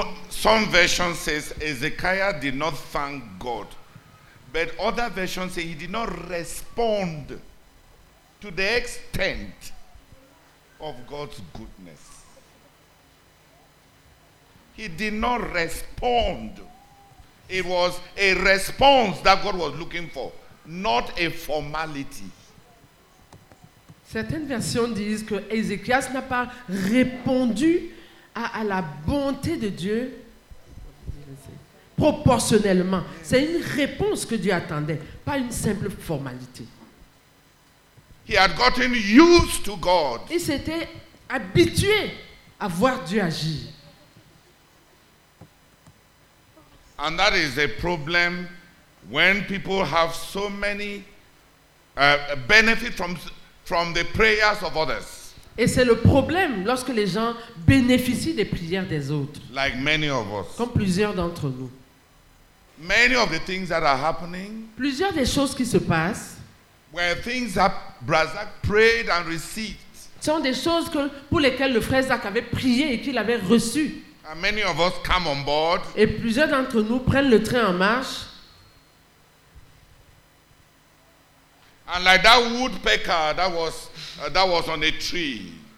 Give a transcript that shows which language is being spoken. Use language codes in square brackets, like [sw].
[en] Some version says Ezekiah did not thank God, but other versions say he did not respond to the extent of God's goodness. He did not respond. It was a response that God was looking for, not a formality. [fr] Certaines versions disent que Ézéchias n'a pas répondu à la bonté de Dieu proportionnellement. C'est une réponse que Dieu attendait, pas une simple formalité. [en] He had gotten used to God. [fr] Il s'était habitué à voir Dieu agir. [en] And that is a problem when people have so many benefits from the prayers of others. [fr] Et c'est le problème lorsque les gens bénéficient des prières des autres. [en] Like many of us. [fr] Comme plusieurs d'entre nous. [en] Many of the things that are happening. [fr] Plusieurs des choses qui se passent. [en] Where things that Brazak prayed and received. [fr] Ce sont des choses que, pour lesquelles le frère Zach avait prié et qu'il avait reçu. [en] And many of us come on board. [fr] Et plusieurs d'entre nous prennent le train en marche. [en] And like that woodpecker that was on a tree.